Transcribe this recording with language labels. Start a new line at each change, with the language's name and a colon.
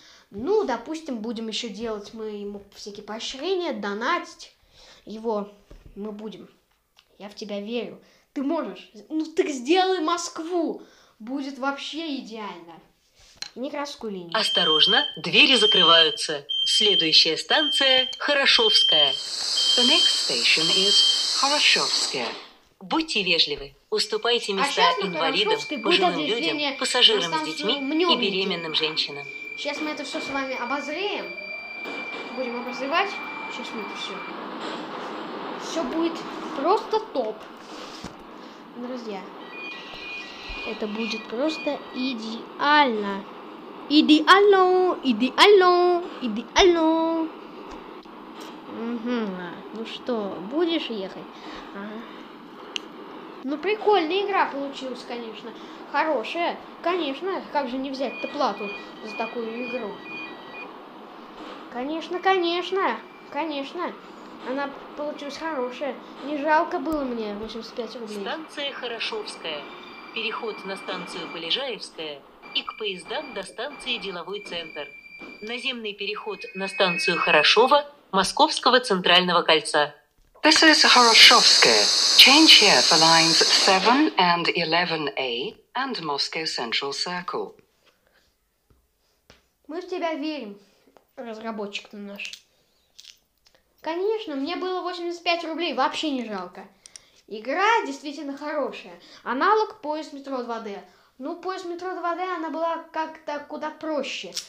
Russian: Ну, допустим, будем еще делать мы ему всякие поощрения, донатить его. Мы будем. Я в тебя верю. Ты можешь. Ну, так сделай Москву. Будет вообще идеально. Некрасовскую линию. Осторожно, двери закрываются. Следующая станция – Хорошовская.
English: The next station is Хорошовская.
Russian: Будьте вежливы. Уступайте места инвалидам, пожилым людям, пассажирам с детьми и беременным женщинам. Сейчас мы это все с вами обозреем. Будем обозревать. Сейчас мы это все. Все будет просто топ. Друзья, это будет просто идеально. Идеально, идеально, идеально. Угу, ну что, будешь ехать? А? Ну, прикольная игра получилась, конечно. Хорошая, конечно, как же не взять-то плату за такую игру? Конечно, конечно, конечно. Она получилась хорошая. Не жалко было мне 85 рублей. Станция Хорошовская. Переход на станцию Полежаевская и к поездам до станции Деловой центр. Наземный переход на станцию Хорошова Московского центрального кольца.
English: This is Хорошовская. Change here for lines 7 and 11A and Moscow Central Circle.
Russian: Мы в тебя верим, разработчик-то наш. Конечно, мне было 85 рублей, вообще не жалко. Игра действительно хорошая. Аналог поезд метро 2D. Ну, поезд метро 2D, она была как-то куда проще.